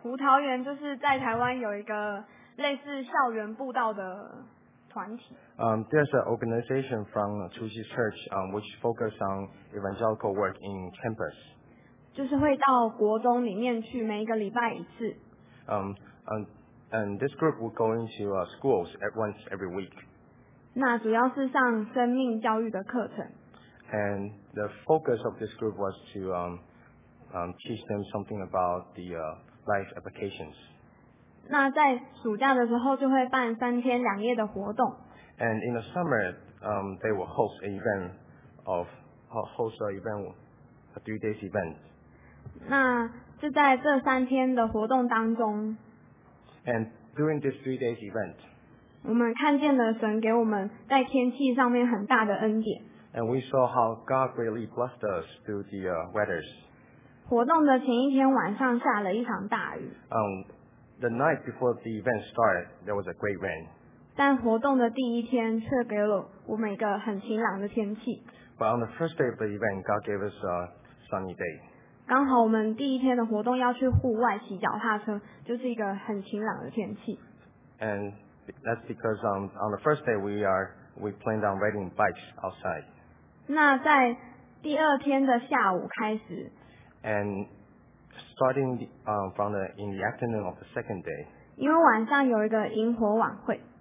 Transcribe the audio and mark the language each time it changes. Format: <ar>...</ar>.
<zh>葡萄园就是在台湾有一个类似校园步道的团体。</zh> <en>There's an organization from True Jesus Church, which focuses on evangelical work in campus.</en> <zh>就是会到国中里面去，每一个礼拜一次。</zh> <en>And this group will go into schools at once every week.</en> <zh>那主要是上生命教育的课程。</zh> <en>And the focus of this group was to teach them something about the life applications.</en> <zh>那在暑假的时候就会办三天两夜的活动。</zh> <en>And in the summer, they will host an event of host an event, a 3 days event.</en> <zh>那就在这三天的活动当中。</zh> <en>And during this 3 days event,</en> <zh>我们看见了神给我们在天气上面很大的恩典。</zh> <en>And we saw how God greatly blessed us through the weathers.</en> <zh>活动的前一天晚上下了一场大雨。</zh> <en>The night before the event started, there was a great rain.</en> <zh>但活动的第一天却给了我们一个很晴朗的天气。</zh> <en>But on the first day of the event, God gave us a sunny day.</en> <zh>刚好我们第一天的活动要去户外骑脚踏车，就是一个很晴朗的天气。</zh> <en>And that's because on the first day we planned on riding bikes outside.</en> <zh>那在第二天的下午开始。</zh> <en>And starting in the afternoon of the second day.</en> <zh>因为晚上有一个萤火晚会。</zh>